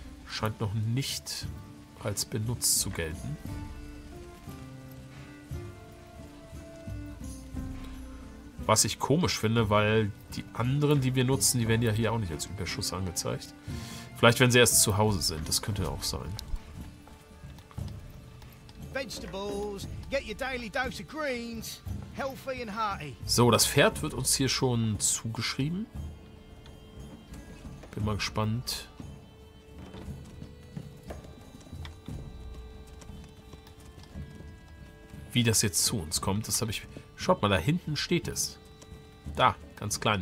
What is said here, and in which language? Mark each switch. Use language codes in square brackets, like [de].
[de] Scheint noch nicht als benutzt zu gelten. Was ich komisch finde, weil die anderen, die wir nutzen, die werden ja hier auch nicht als Überschuss angezeigt. Vielleicht, wenn sie erst zu Hause sind. Das könnte auch sein. [en] Vegetables, get your daily dose of greens, healthy and hearty. [de] So, das Pferd wird uns hier schon zugeschrieben. Bin mal gespannt. Wie das jetzt zu uns kommt, das habe ich... Schaut mal, da hinten steht es. Da, ganz klein.